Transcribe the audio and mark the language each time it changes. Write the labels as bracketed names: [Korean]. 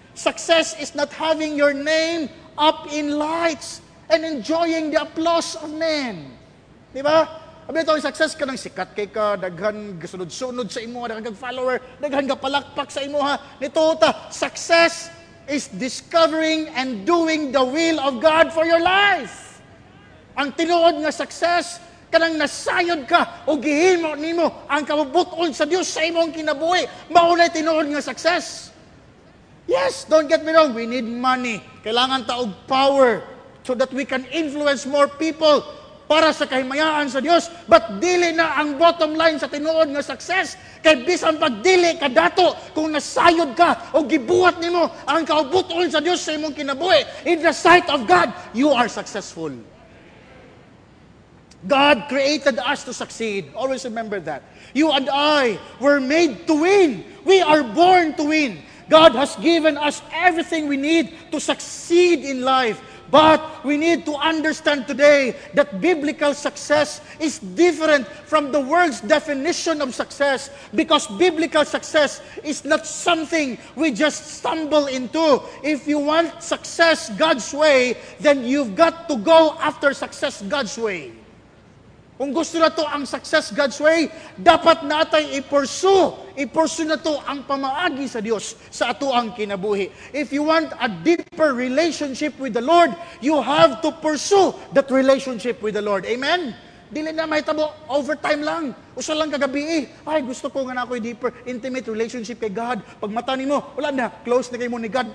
[English] Success is not having your name up in lights and enjoying the applause of men. [Cebuano] Di ba? Abi ito, success ka ng sikat kay ka, daghan gasunod-sunod sa imo, daghan follower, daghan palakpak sa imo ha. Nito ta, [English] success is discovering and doing the will of God for your life. [Cebuano] Ang tinuod nga success, kanang nasayod ka o gihimo nimo ang kabubuton sa Dios sa imong kinabuhi, mao na tinuod nga success. [English] Yes, don't get me wrong, we need money. [Cebuano] Kailangan taog power [English] so that we can influence more people [Cebuano] para sa kahimayaan sa Dios. But dili na ang [English] bottom line [Cebuano] sa tinuod nga success. Kay bisan pag dili ka dato, kung nasayod ka o gibuhat nimo ang kaubuton sa Dios sa imong kinabuhi, [English] in the sight of God, you are successful. God created us to succeed. Always remember that. You and I were made to win. We are born to win. God has given us everything we need to succeed in life. But we need to understand today that biblical success is different from the world's definition of success, because biblical success is not something we just stumble into. If you want success God's way, then you've got to go after success God's way. [Cebuano] Kung gusto na to ang [English] success God's way, [Cebuano] dapat natay i-pursue. I-pursue na to ang pamaagi sa Dios sa ato ang kinabuhi. [English] If you want a deeper relationship with the Lord, you have to pursue that relationship with the Lord. [Cebuano] Amen? Dili na mahitabo, overtime lang. Usa lang kagabi eh. Ay, gusto ko nga na ako'y [English] deeper, intimate relationship [Cebuano] kay God. Pag mata ni mo, wala na, close na kayo mo ni God.